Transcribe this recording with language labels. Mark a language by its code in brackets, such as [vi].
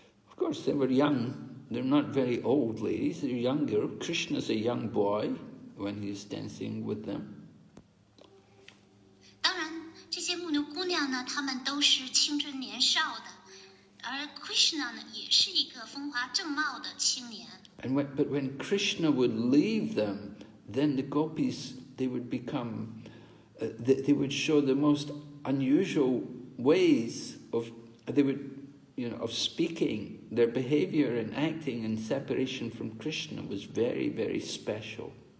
[en] Of course, they were young. They're not very old ladies. They're younger. Krishna's a young boy when he's dancing with them. [zh] 这些牧牛姑娘呢，她们都是青春年少的，而 Krishna 呢，也是一个风华正茂的青年。 [en] And when, but when Krishna would leave them, then the gopis, they would become, they would show the most unusual ways of, they would, you know, of speaking. Their behavior and acting and separation from Krishna was very, very special.